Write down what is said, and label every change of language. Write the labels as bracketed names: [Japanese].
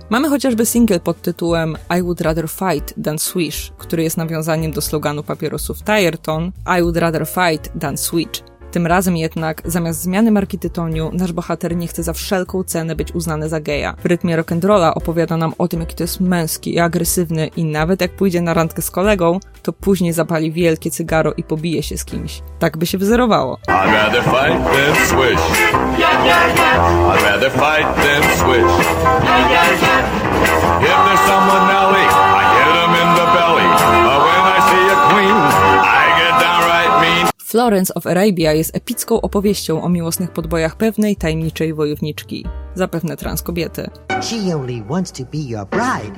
[Polish] Mamy chociażby single pod tytułem I Would Rather Fight Than Swish, który jest nawiązaniem do sloganu papierosów Tireton I Would Rather Fight Than Switch. Tym razem jednak, zamiast zmiany marki tytoniu, nasz bohater nie chce za wszelką cenę być uznany za geja. W rytmie rock'n'rolla opowiada nam o tym, jaki to jest męski i agresywny i nawet jak pójdzie na randkę z kolegą, to później zapali wielkie cygaro i pobije się z kimś. Tak by się wzorowało. [English] I'd rather fight than swish. Yeah, yeah, yeah. I'd rather fight than swish. Yeah, yeah, yeah. If there's someone nally, I hit him in the belly. But when I see a queen, I get downright mean. [Polish] Florence of Arabia jest epicką opowieścią o miłosnych podbojach pewnej tajemniczej wojowniczki. Zapewne trans kobiety. [English] She only wants to be your bride.